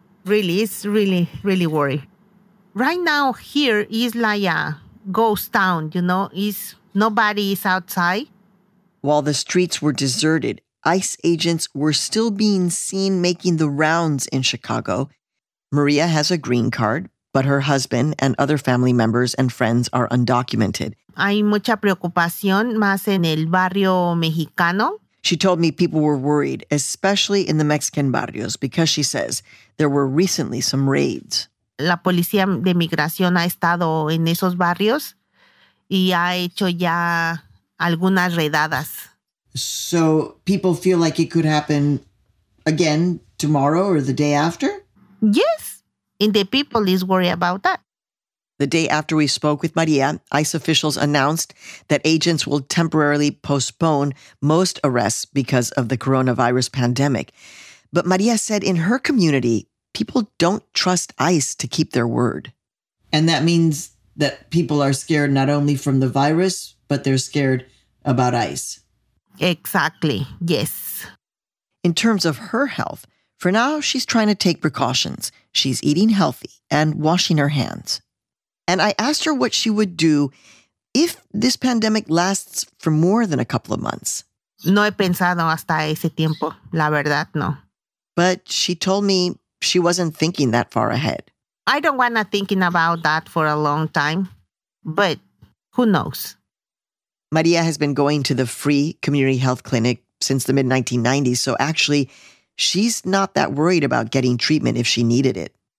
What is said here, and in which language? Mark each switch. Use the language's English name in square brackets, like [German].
[English] Really, it's really, really worry. Right now, here is like a ghost town, you know. Nobody is outside. While the streets were deserted, ICE agents were still being seen making the rounds in Chicago. María has a green card, But her husband and other family members and friends are undocumented. [Spanish] Hay mucha preocupación más en el barrio mexicano. [English] She told me people were worried, especially in the Mexican barrios, because she says there were recently some raids. [Spanish] La policía de migración ha estado en esos barrios y ha hecho ya algunas redadas. [English] So people feel like it could happen again tomorrow or the day after? Yes. And the people is worried about that. The day after we spoke with Maria, ICE officials announced that agents will temporarily postpone most arrests because of the coronavirus pandemic. But Maria said in her community, people don't trust ICE to keep their word. And that means that people are scared not only from the virus, but they're scared about ICE. Exactly. Yes. In terms of her health, for now, she's trying to take precautions. She's eating healthy and washing her hands. And I asked her what she would do if this pandemic lasts for more than a couple of months. [Spanish] No he pensado hasta ese tiempo, la verdad, no. [English] But she told me she wasn't thinking that far ahead. I don't want to thinking about that for a long time, but who knows? Maria has been going to the free community health clinic since the mid-1990s, so actually, she's not that worried about getting treatment if she needed it.